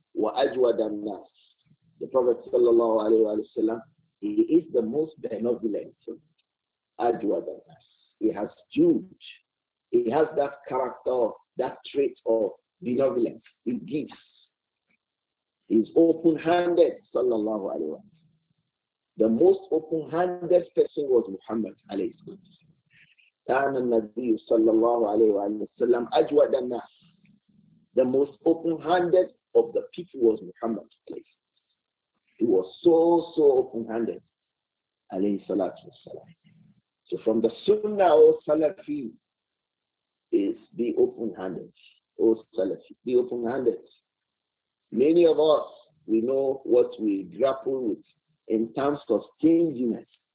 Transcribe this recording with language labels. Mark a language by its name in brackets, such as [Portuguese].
[English] Wa ajwadan nas. The Prophet sallallahu alayhi wa sallam, he is the most benevolent. Ajwadan nas. He has jude. He has that character, that trait of benevolence. He gives. He's open-handed, sallallahu alayhi wa sallam. The most open-handed person was Muhammad, alayhi salatu wasalam. [Arabic] كان النبي صلى الله عليه وسلم أجود الناس. [English] The most open-handed of the people was Muhammad. He was so open-handed. عليه الصلاة والسلام. So from the Sunnah, O Salafi, is be open-handed. O Salafi, be open-handed. Many of us, we know what we grapple with in terms of stinginess.